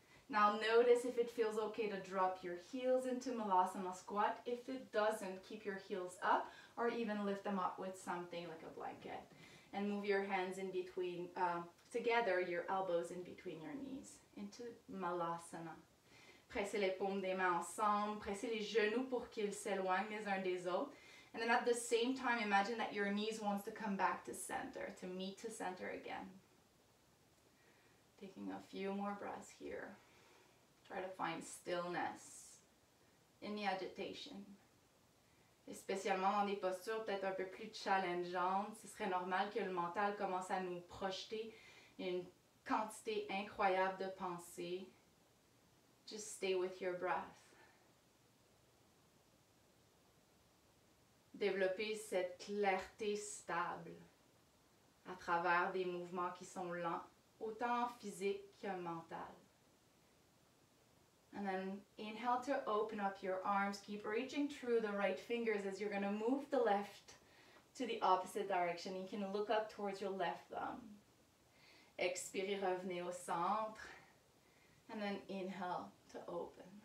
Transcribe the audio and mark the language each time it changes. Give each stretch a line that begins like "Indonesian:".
English: Now notice if it feels okay to drop your heels into Malasana squat. If it doesn't, keep your heels up or even lift them up with something like a blanket. And move your hands in between, together, your elbows in between your knees. Into Malasana.
French: Pressez les paumes des mains ensemble. Pressez les genoux pour qu'ils s'éloignent les uns des autres.
English: And then at the same time, imagine that your knees wants to come back to center, to meet to center again. Taking a few more breaths here. Try to find stillness in the agitation.
French: Especialement dans des postures peut-être un peu plus challengeantes, ce serait normal que le mental commence à nous projeter une quantité incroyable de pensées.
English: Just stay with your breath.
French: Développer cette clarté stable à travers des mouvements qui sont lents, autant physique que mental.
English: And then inhale to open up your arms. Keep reaching through the right fingers as you're going to move the left to the opposite direction. You can look up towards your left thumb.
French: Expirez, revenez au centre.
English: And then inhale to open.